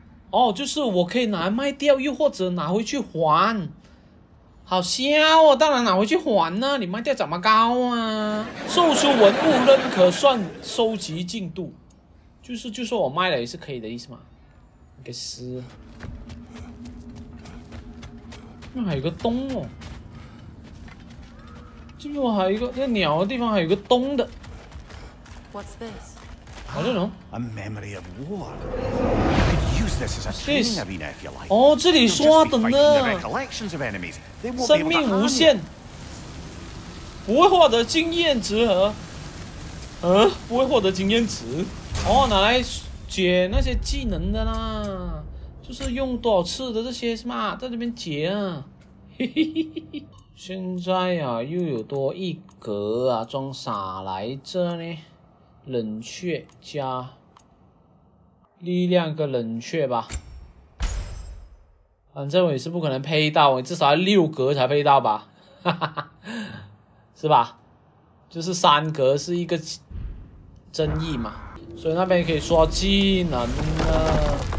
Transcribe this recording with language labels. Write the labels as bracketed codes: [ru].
[zh] 哦，就是我可以拿来卖掉，又或者拿回去还，好笑哦，当然拿回去还呢，你卖掉怎么高啊，售出文物认可算收集进度，就是我卖了也是可以的意思嘛，给撕，那还有个洞哦，这边我还有一个，那鸟的地方还有一个洞的。 [en] What's this? [zh] 好这种。 [en] A memory of war. You could use this as a training arena if you like. [zh] 哦，这里刷等的。生命无限，不会获得经验值和，不会获得经验值。哦，拿来解那些技能的啦，就是用多少次的这些是吗？在这边解啊，嘿嘿嘿嘿。现在啊又有多一格啊，装啥来着呢，冷却加力量个冷却吧，反正我也是不可能配到，我至少要六格才配到吧，是吧，就是三格是一个争议嘛，所以那边可以刷技能了，